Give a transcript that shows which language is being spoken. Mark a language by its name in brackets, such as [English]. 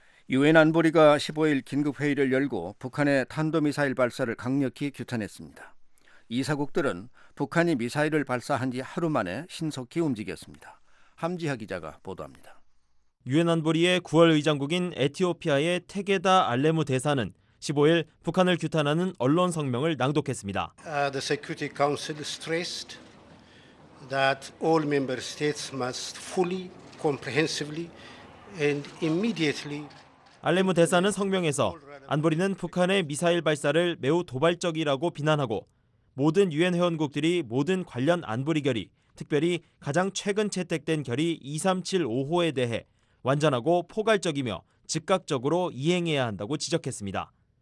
[Korean] 유엔 안보리가 15일 긴급회의를 열고 북한의 탄도미사일 발사를 강력히 규탄했습니다. 이 사국들은 북한이 미사일을 발사한 지 하루 만에 신속히 움직였습니다. 함지하 기자가 보도합니다. 유엔 안보리의 9월 의장국인 에티오피아의 테게다 알레무 대사는 15일 북한을 규탄하는 언론 성명을 낭독했습니다. [English] The Security Council stressed that all member states must fully, comprehensively, and immediately [Korean] 알레무 대사는 성명에서 안보리는 북한의 미사일 발사를 매우 도발적이라고 비난하고 모든 유엔 회원국들이 모든 관련 안보리 결의, 특별히 가장 최근 채택된 결의 2375호에 대해 완전하고 포괄적이며 즉각적으로 이행해야 한다고 지적했습니다.